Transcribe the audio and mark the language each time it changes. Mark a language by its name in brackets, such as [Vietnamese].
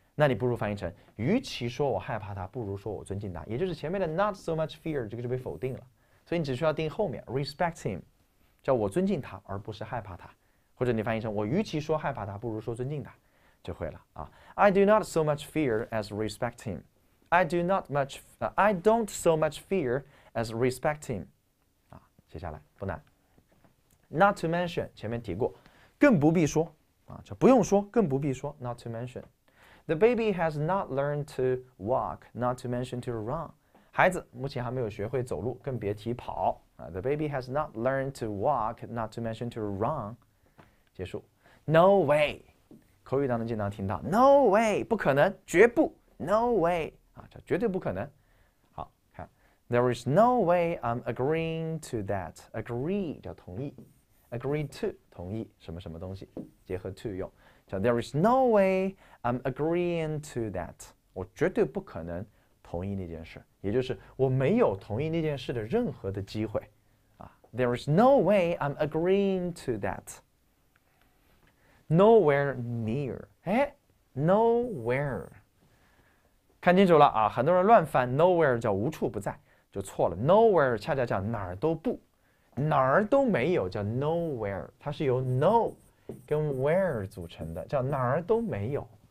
[Chinese] 那你不如翻译成与其说我害怕他不如说我尊敬他，也就是前面的 [English] not so much fear [Chinese] 这个就被否定了，所以你只需要定后面 [English] respect him [Chinese] 叫我尊敬他而不是害怕他，或者你翻译成我与其说害怕他不如说尊敬他就会了啊。 [English] I do not so much fear as respect himI don't so much fear as respect him. [Chinese] 啊，写下来不难。 [English] Not to mention [Chinese] 前面提过，更不必说啊，就不用说，更不必说。 [English] Not to mention, the baby has not learned to walk. Not to mention to run. [Chinese] 孩子目前还没有学会走路，更别提跑啊。 [English] The baby has not learned to walk. Not to mention to run. [Chinese] 结束。 [English] No way. [Chinese] 口语当中经常听到 [English] No way, [Chinese] 不可能，绝不 No way. 这绝对不可能。好，看 [English] There is no way I'm agreeing to that. Agree [Chinese] 叫同意， [English] agree to [Chinese] 同意什么什么东西，结合 [English] to [Chinese] 用，叫 [English] There is no way I'm agreeing to that. [Chinese] 我绝对不可能同意那件事，也就是我没有同意那件事的任何的机会啊。 [English] There is no way I'm agreeing to that. Nowhere near. [Chinese] 哎 [English] ，nowhere. [Chinese] 看清楚了啊，很多人乱翻 nowhere 叫无处不在就错了， nowhere 恰恰叫哪儿都不，哪儿都没有叫 nowhere， 它是由 no 跟 where 组成的，叫哪儿都没有